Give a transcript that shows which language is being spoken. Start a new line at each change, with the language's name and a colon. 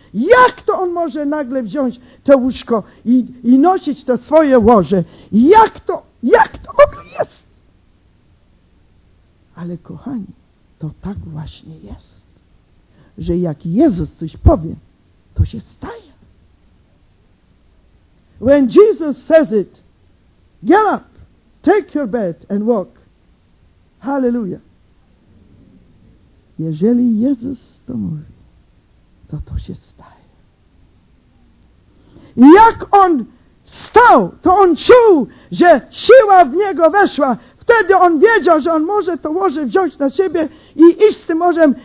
Polish: Jak to on może nagle wziąć to łóżko i nosić to swoje łoże? Jak to w ogóle jest? Ale kochani, to tak właśnie jest, że jak Jezus coś powie, to się staje.
English: When Jesus says it, get up, take your bed and walk. Hallelujah.
Polish: Jeżeli Jezus to mówi, to się staje. I jak on stał, to on czuł, że siła w niego weszła. Wtedy on wiedział, że on może to łoże wziąć na siebie i iść z tym łożem.